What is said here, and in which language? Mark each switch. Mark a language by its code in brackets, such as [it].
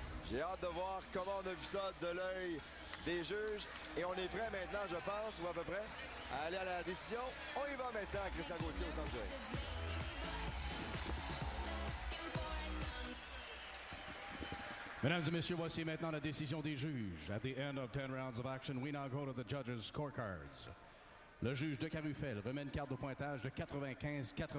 [fr] J'ai hâte de voir comment on a vu ça de l'œil des juges. Et on est prêt maintenant, je pense, ou à peu près, à aller à la décision. On y va maintenant, Christian Gauthier au centre. Mesdames et messieurs, voici maintenant la décision des juges. [en] At the end of 10 rounds of action, we now go to the judges' scorecards. [fr] Le juge de Carufel remet une carte de pointage de 95-93.